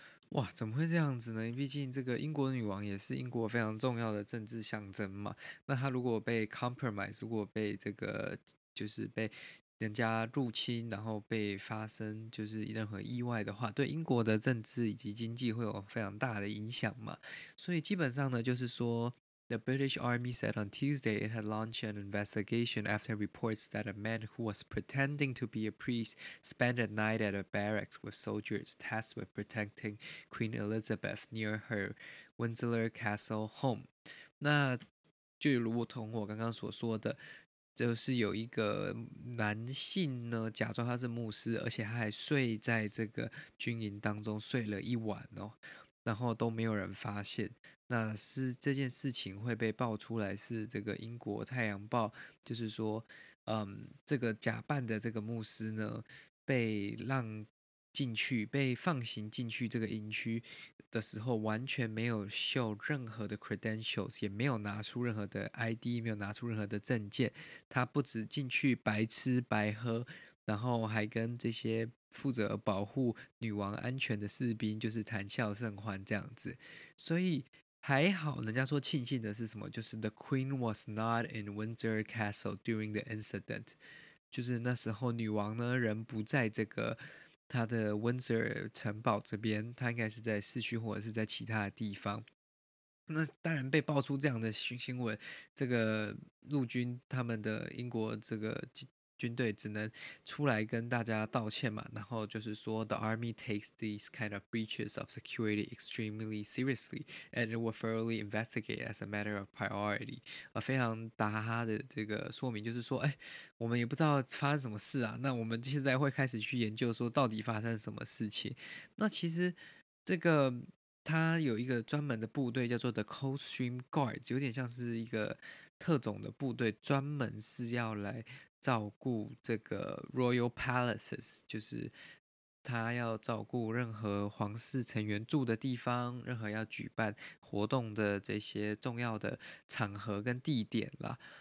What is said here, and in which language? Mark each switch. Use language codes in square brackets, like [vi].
[zh] 哇，怎么会这样子呢？毕竟这个英国女王也是英国非常重要的政治象征嘛。那她如果被 compromise， 如果被这个就是被人家入侵，然后被发生就是任何意外的话，对英国的政治以及经济会有非常大的影响嘛。所以基本上呢，就是说 [en] The British Army said on Tuesday it had launched an investigation after reports that a man who was pretending to be a priest spent a night at a barracks with soldiers tasked with protecting Queen Elizabeth near her Windsor Castle home. [zh] 那就如同我刚刚所说的，就是有一个男性呢，假装他是牧师，而且他还睡在这个军营当中睡了一晚哦，然后都没有人发现。那是这件事情会被爆出来，是这个英国太阳报，就是说这个假扮的这个牧师呢，被让进去，被放行进去这个营区的时候，完全没有秀任何的 credentials， 也没有拿出任何的 ID， 没有拿出任何的证件。他不止进去白吃白喝，然后还跟这些负责保护女王安全的士兵就是谈笑甚欢这样子。所以还好，人家说庆幸的是什么，就是 [en] The Queen was not in Windsor Castle during the incident， [zh] 就是那时候女王呢人不在这个她的 Windsor 城堡这边，她应该是在市区或者是在其他的地方。那当然被爆出这样的新闻，这个陆军他们的英国这个军队只能出来跟大家道歉嘛，然后就是说 [en] The army takes these kind of breaches of security extremely seriously and it will thoroughly investigate as a matter of priority。 [zh] 非常打哈哈的这个说明就是说，哎，我们也不知道发生什么事啊，那我们现在会开始去研究说到底发生什么事情。那其实这个他有一个专门的部队叫做 The Coldstream Guard， 有点像是一个特种的部队，专门是要来照顾这个 Royal Palaces， 就是他要照顾任何皇室成员住的地方，任何要举办活动的这些重要的场合跟地点啦。